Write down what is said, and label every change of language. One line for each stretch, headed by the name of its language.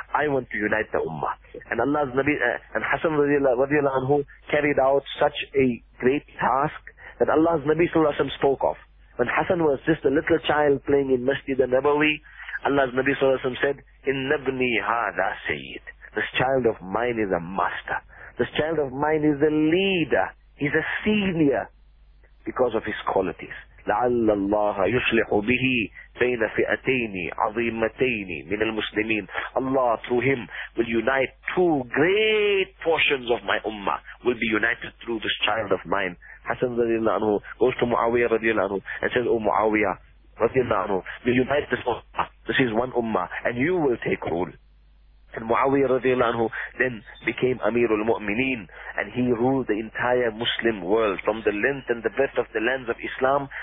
English: I want to unite the Ummah. And Allah's Nabi, and Hassan radiallahu anhu carried out such a great task that Allah's Nabi sallallahu alayhi wa sallam spoke of. When Hassan was just a little child playing in Masjid al-Nabawi, Allah's Nabi sallallahu alayhi wa sallam said,
Arabic: Innabni hadha sayyid.
English: This child of mine is a master. This child of mine is a leader. He's a senior because of his qualities.
Arabic: لعل الله يصلح به بين فئتين عظيمتين من المسلمين.
English: Allah through him will unite two great portions of my ummah, will be united through this child of mine. Hassan radiallahu anhu goes to Muawiyah radiallahu anhu and says, oh Muawiyah radiallahu anhu, will unite this ummah. This is one ummah and you will take rule. And Muawiyah radiallahu anhu then became Amirul Mu'mineen, and he ruled the entire Muslim world from the length and the breadth of the lands of Islam.